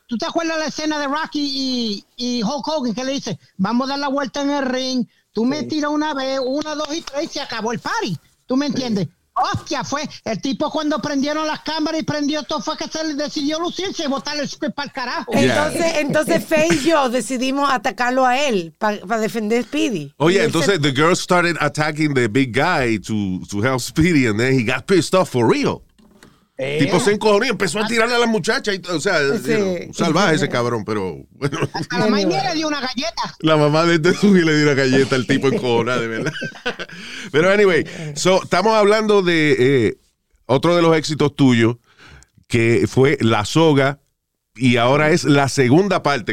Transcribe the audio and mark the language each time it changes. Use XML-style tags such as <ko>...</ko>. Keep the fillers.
<es>¿Tú te acuerdas la escena de Rocky y, y Hulk Hogan que le dice, vamos a dar la vuelta en el ring? Tú sí. me tiras una vez, una, dos y tres y se acabó el party. ¿Tú me entiendes? Hostia, yeah. fue el tipo cuando prendieron las cámaras y prendió todo, fue que se le decidió lucirse y botarle el script para el carajo. Entonces, entonces Faye y yo decidimos atacarlo a él para defender defender Speedy. Oye,</es> <en>oh, yeah, entonces, the girl started attacking the big guy to, to help Speedy, and then he got pissed off for real.</en> <es>El Tipo se encojonó y empezó a tirarle a la muchacha. Y, o sea, ese,</es> <en>you know,</en> <es>salvaje y, ese cabrón, pero bueno. la bien, mamá bueno. Y le dio una galleta. La mamá de este subió le dio una galleta al tipo encojonado, de verdad. Pero</es> <en>anyway, so,</en> <es>estamos hablando de eh, otro de los éxitos tuyos, que fue La Soga, y ahora es la segunda parte.</es>